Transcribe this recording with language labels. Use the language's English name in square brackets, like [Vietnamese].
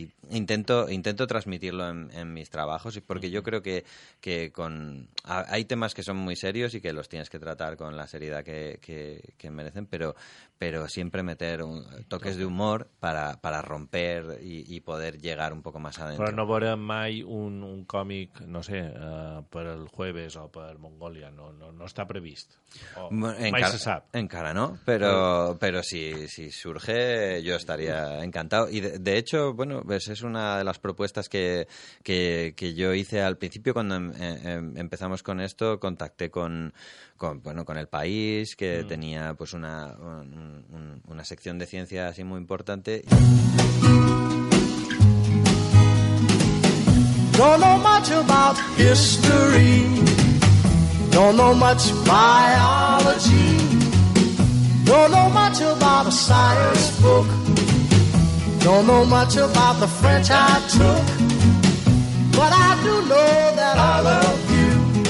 [Spanish] intento transmitirlo en mis trabajos, porque yo creo que hay temas que son muy serios y que los tienes que tratar con la seriedad que merecen, pero pero siempre meter un, toques de humor para romper y poder llegar un poco más adentro. [Catalan] Però no veurem mai un còmic, no sé, per el jueves o per Mongòlia, no està previst. Mai se sap. Encara no, però si surge, jo estaria encantat. [Spanish] I de hecho, bueno, pues es una de las propuestas que yo hice al principio cuando empezamos con esto, contacté con El País, que tenía pues una sección de ciencia así muy importante. [English] Don't know much about history, don't know much biology, don't know much about a science book, don't know much about the French I took, but I do know that I love you.